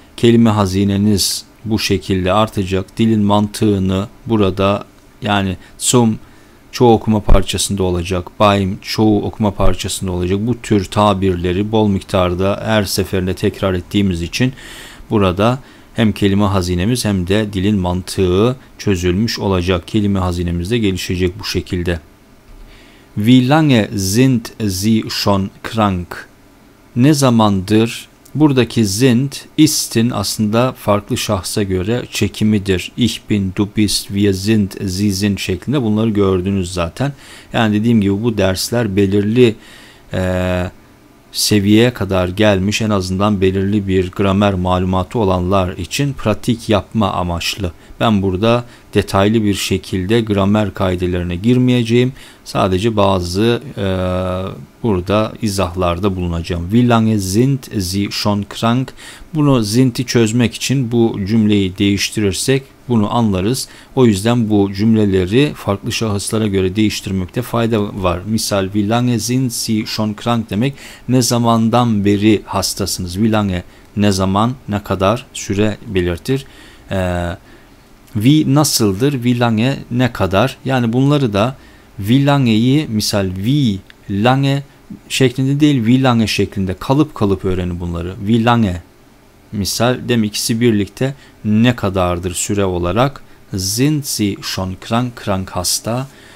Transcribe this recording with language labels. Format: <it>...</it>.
<tr>Kelime hazineniz bu şekilde artacak. Dilin mantığını burada, yani zum çoğu okuma parçasında olacak, beim çoğu okuma parçasında olacak. Bu tür tabirleri bol miktarda her seferinde tekrar ettiğimiz için burada hem kelime hazinemiz hem de dilin mantığı çözülmüş olacak. Kelime hazinemiz de gelişecek bu şekilde.</tr> <de>Wie lange sind Sie schon krank?</de> <tr>Ne zamandır? Buradaki sind, ist'in aslında farklı şahsa göre çekimidir.</tr> <de>Ich bin, du bist, wir sind, sie sind</de> <tr>şeklinde, bunları gördünüz zaten. Yani dediğim gibi bu dersler belirli seviyeye kadar gelmiş, en azından belirli bir gramer malumatı olanlar için pratik yapma amaçlı. Ben burada detaylı bir şekilde gramer kaidelerine girmeyeceğim. Sadece bazı burada izahlarda bulunacağım.</tr> <de>Wie lange sind Sie schon krank?</de> <tr>Bunu, sind'i çözmek için bu cümleyi değiştirirsek bunu anlarız. O yüzden bu cümleleri farklı şahıslara göre değiştirmekte fayda var. Misal,</tr> <de>wie lange sind Sie schon krank</de> <tr>demek, ne zamandan beri hastasınız. Wie lange, ne zaman, ne kadar, süre belirtir. Wie nasıldır, wie lange, ne kadar. Yani bunları da wie lange'yi misal wie lange şeklinde değil, wie lange şeklinde kalıp kalıp öğrenin bunları. Wie lange misal dem, ikisi birlikte ne kadardır süre olarak.</tr> <de>Sind Sie schon krank,</de> <tr>krank hasta.</tr>